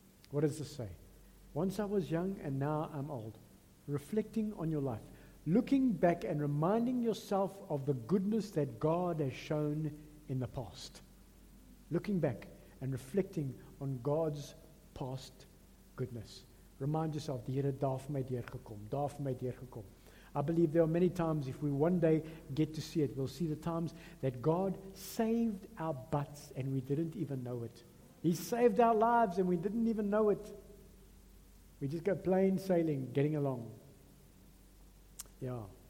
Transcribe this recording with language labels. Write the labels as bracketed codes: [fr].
[en] What does this say? Once I was young and now I'm old. Reflecting on your life. Looking back and reminding yourself of the goodness that God has shown in the past. Looking back and reflecting on God's past goodness. Remind yourself, [af] die Here daar vir my deurgekom, daar vir my deurgekom. [en] I believe there are many times, if we one day get to see it, we'll see the times that God saved our butts and we didn't even know it. He saved our lives and we didn't even know it. We just go plain sailing, getting along. Yeah.